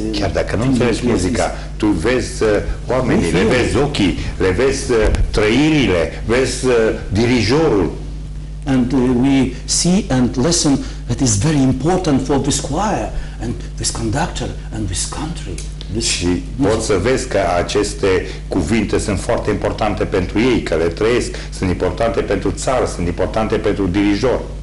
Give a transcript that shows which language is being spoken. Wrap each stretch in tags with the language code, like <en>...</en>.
<ro>chiar dacă nu înțelegi muzica,</ro> <en>yes,</en> <ro>tu vezi oamenii, le vezi ochii, le vezi trăirile, vezi dirijorul.</ro> <en>And we see and listen that is very important for this choir and this conductor and this country.</en> <ro>Și poți să vezi că aceste cuvinte sunt foarte importante pentru ei, că le trăiesc, sunt importante pentru țară, sunt importante pentru dirijor.</ro>